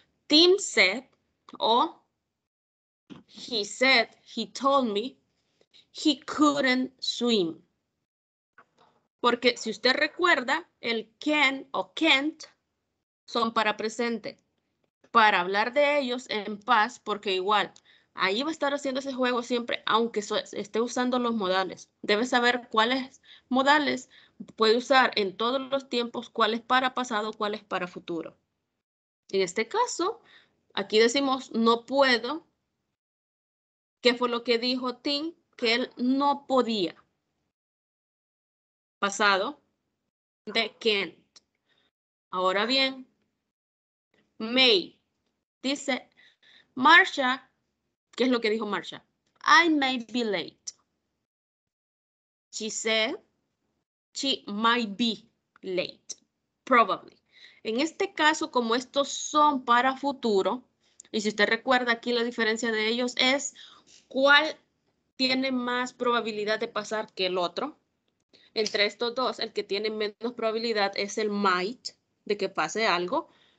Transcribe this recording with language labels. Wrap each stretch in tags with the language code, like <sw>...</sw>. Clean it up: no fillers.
<en>Tim said o he said, he told me, he couldn't swim.</en> <es>Porque si usted recuerda, el can o can't son para presente. Para hablar de ellos en past, porque igual Ahí va a estar haciendo ese juego siempre, aunque esté usando los modales. Debe saber cuáles modales puede usar en todos los tiempos, cuáles para pasado, cuáles para futuro. En este caso, aquí decimos no puedo. ¿Qué fue lo que dijo Tim? Que él no podía. Pasado de can't. Ahora bien, May dice, Marsha, ¿qué es lo que dijo Marsha?</es> <en>I may be late. She said, she might be late, probably.</en> <es>En este caso, como estos son para futuro, y si usted recuerda aquí la diferencia de ellos es cuál tiene más probabilidad de pasar que el otro. Entre estos dos, el que tiene menos probabilidad es el might, de que pase algo.</es>